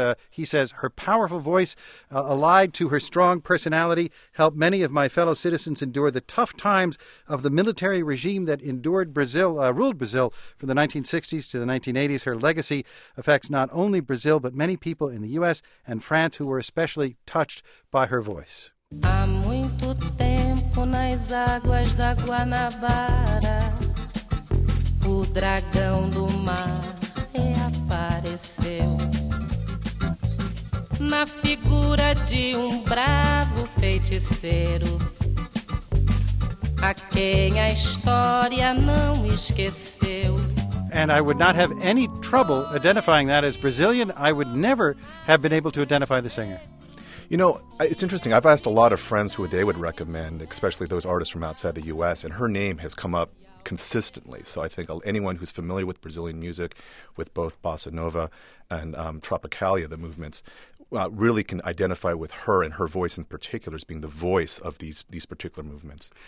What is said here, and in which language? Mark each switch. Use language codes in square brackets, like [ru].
[en] He says, her powerful voice, allied to her strong personality, helped many of my fellow citizens endure the tough times of the military regime that ruled Brazil from the 1960s to the 1980s. Her legacy affects not only Brazil, but many people in the U.S. and France who were especially touched by her voice. [pt] Há muito tempo nas águas da Guanabara, o dragão do mar reapareceu na figura de um bravo feiticeiro a quem a história não esqueceu. [en] And I would not have any trouble identifying that as Brazilian. I would never have been able to identify the singer. You know, it's interesting. I've asked a lot of friends who they would recommend, especially those artists from outside the U.S., and her name has come up consistently. So I think anyone who's familiar with Brazilian music, with both Bossa Nova and Tropicália, the movements, really can identify with her and her voice in particular as being the voice of these particular movements.